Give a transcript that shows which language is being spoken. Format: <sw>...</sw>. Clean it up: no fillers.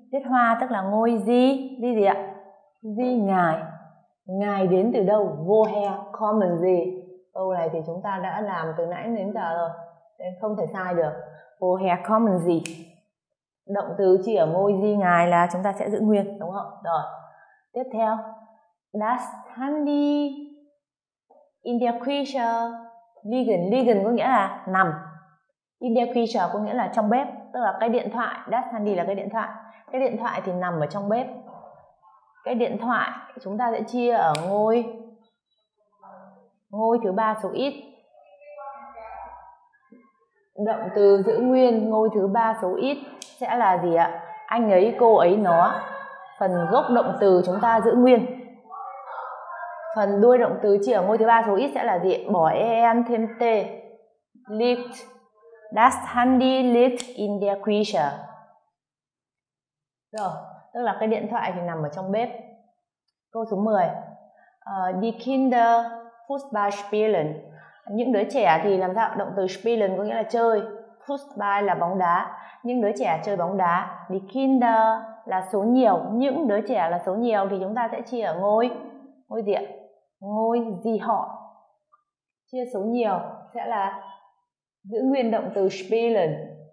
<vi>Viết hoa tức là ngôi gì? Di gì ạ? Di ngài. Ngài đến từ đâu?</vi> <de>Woher kommen Sie?</de> <vi>Câu này thì chúng ta đã làm từ nãy đến giờ rồi, nên không thể sai được.</vi> <de>Woher kommen Sie?</de> <vi>Động từ chỉ ở ngôi di ngài là chúng ta sẽ giữ nguyên, đúng không? Rồi, tiếp theo.</vi> <de>Das Handy in der Küche liegen.</de> <vi>Liegen có nghĩa là nằm.</vi> <de>In der Küche</de> <vi>có nghĩa là trong bếp, tức là cái điện thoại.</vi> <de>Das Handy</de> <vi>là cái điện thoại. Cái điện thoại thì nằm ở trong bếp. Cái điện thoại chúng ta sẽ chia ở ngôi thứ ba số ít. Động từ giữ nguyên ngôi thứ ba số ít sẽ là gì ạ? Anh ấy, cô ấy, nó. Phần gốc động từ chúng ta giữ nguyên. Phần đuôi động từ chia ở ngôi thứ ba số ít sẽ là gì? Bỏ em thêm t. Liegt.</vi> <de>Das Handy liegt in der Küche.</de> <vi>Rồi. Tức là cái điện thoại thì nằm ở trong bếp. Câu số 10.</vi> <de>Die Kinder Fußball spielen.</de> <vi>Những đứa trẻ thì làm sao? Động từ spielen có nghĩa là chơi. Fußball là bóng đá. Những đứa trẻ chơi bóng đá. Die Kinder là số nhiều. Những đứa trẻ là số nhiều thì chúng ta sẽ chia ở ngôi. Ngôi gì ạ? Ngôi gì họ? Chia số nhiều sẽ là giữ nguyên động từ spielen.</vi>